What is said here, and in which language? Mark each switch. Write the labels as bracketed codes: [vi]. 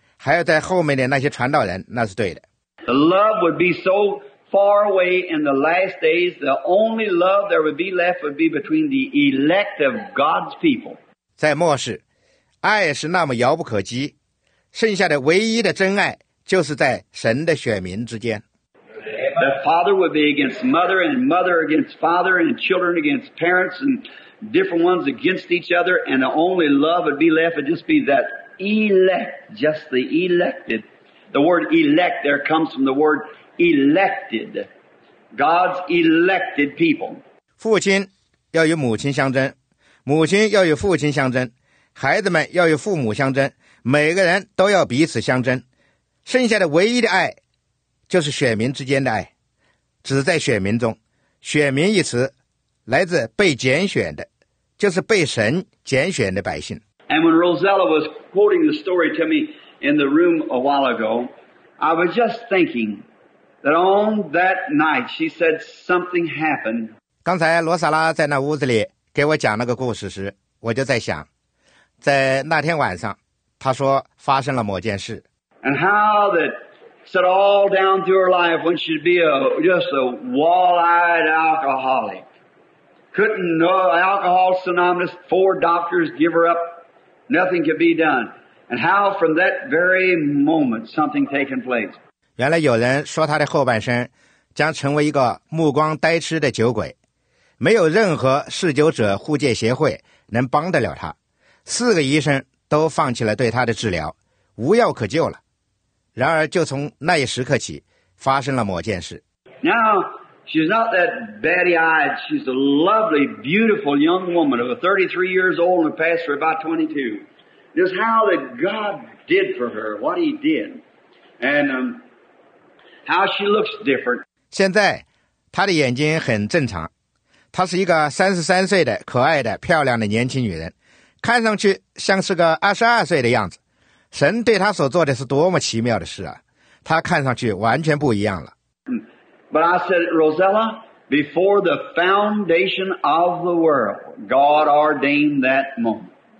[zh] 还要在后面的那些传道人，那是对的。 [en] The love would be so far away in the last days, the only love there would be left would be between the elect of God's people. [zh] 在末世，爱是那么遥不可及，剩下的唯一的真爱就是在神的选民之间。 [en] The father would be against mother, and mother against father, and children against parents, and different ones against each other, and the only love would be left would just be that. Elect, just the elected. The word elect there comes from the word elected. God's elected people. [zh] 父亲要与母亲相争，母亲要与父亲相争，孩子们要与父母相争，每个人都要彼此相争。剩下的唯一的爱，就是选民之间的爱，只在选民中。选民一词，来自被拣选的，就是被神拣选的百姓。 [en] And when Rosella was quoting the story to me in the room a while ago, I was just thinking that on that night she said something happened. [zh] 刚才罗萨拉在那屋子里给我讲那个故事时，我就在想，在那天晚上，她说发生了某件事。 [en] And how that set all down through her life when she'd be just a wall-eyed alcoholic. Couldn't know alcohol synonymous, four doctors give her up. Nothing could be done. And how from that very moment something taken place. [zh] 原来有人说他的后半生将成为一个目光呆痴的酒鬼。没有任何嗜酒者互戒协会能帮得了他。四个医生都放弃了对他的治疗，无药可救了。然而就从那一时刻起发生了某件事。 [en] Now, she's not that batty-eyed. She's a lovely, beautiful young woman of 33 years old and a pastor about 22. Just how that God did for her, what he did. And, how she looks different. [zh] 现在她的眼睛很正常。她是一个33岁的可爱的漂亮的年轻女人。看上去像是个22岁的样子。神对她所做的是多么奇妙的事啊。她看上去完全不一样了。 [en] But I said, Rosella, before the foundation of the world, God ordained that moment.